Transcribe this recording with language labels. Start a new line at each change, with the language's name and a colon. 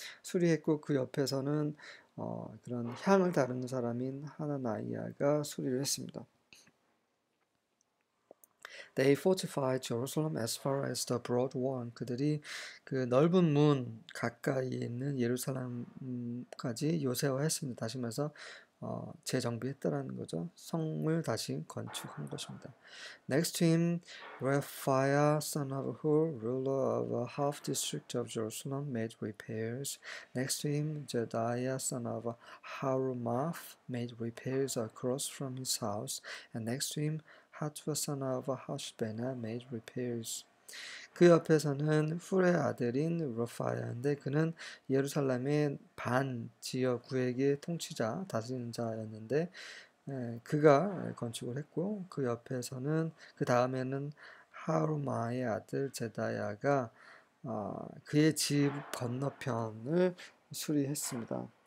Korean: 수리했고, 그 옆에서는 그런 향을 다루는 사람인 하나나이아가 수리를 했습니다.
English: They fortified Jerusalem as far as the broad one.
Korean: 그들이 그 넓은 문 가까이 있는 예루살렘까지 요새화했습니다. 다시 말해서 재정비했다라는 거죠. 성을 다시 건축한 것입니다.
English: Next to him, Rephaiah, son of Hur, ruler of a half district of Jerusalem, made repairs. Next to him, Jedaiah, son of Harumaph, made repairs across from his house. And next to him, Hatva, son of Hashbena, made repairs.
Korean: 그 옆에서는 훌의 아들인 르파야인데, 그는 예루살렘의 반 지역구에게 통치자, 다스리는 자였는데, 그가 건축을 했고, 그 옆에서는 그 다음에는 하루마의 아들 제다야가 그의 집 건너편을 수리했습니다.